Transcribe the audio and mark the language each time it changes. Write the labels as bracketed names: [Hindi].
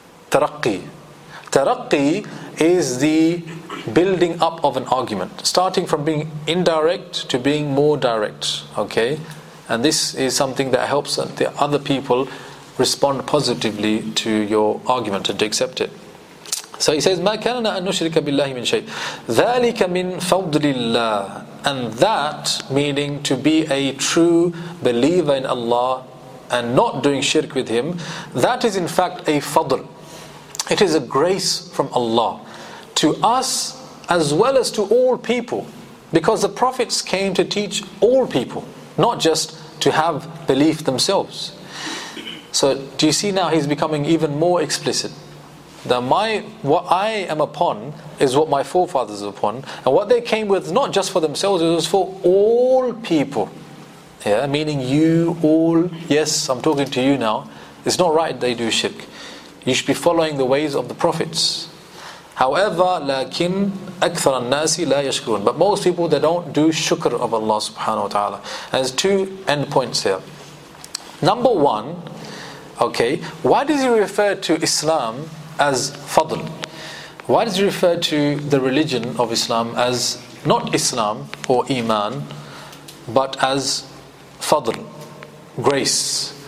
[English] Taraqqi. Taraqqi is the building up of an argument. Starting from being indirect to being more direct. Okay? And this is something that helps the other people respond positively to your argument and to accept it. So he says, [Arabic] مَا كَانَنَا أَن نُشْرِكَ بِاللَّهِ مِنْ شَيْءٍ ذَلِكَ مِنْ فَضْلِ اللَّهِ. [English] And that, meaning to be a true believer in Allah and not doing shirk with Him, that is in fact a fadl. It is a grace from Allah to us as well as to all people. Because the prophets came to teach all people, not just to have belief themselves. So do you see now he's becoming even more explicit. That what I am upon is what my forefathers are upon. And what they came with, not just for themselves, it was for all people. Yeah, meaning you all, yes, I'm talking to you now. It's not right they do shirk. You should be following the ways of the prophets. However, [Arabic] لكن أكثر الناس لا يشكرون. [English] But most people, they don't do shukr of Allah subhanahu wa ta'ala. There's two end points here. Number one, okay, why does he refer to Islam as fadl? Why does he refer to the religion of Islam as not Islam or Iman, but as fadl, grace.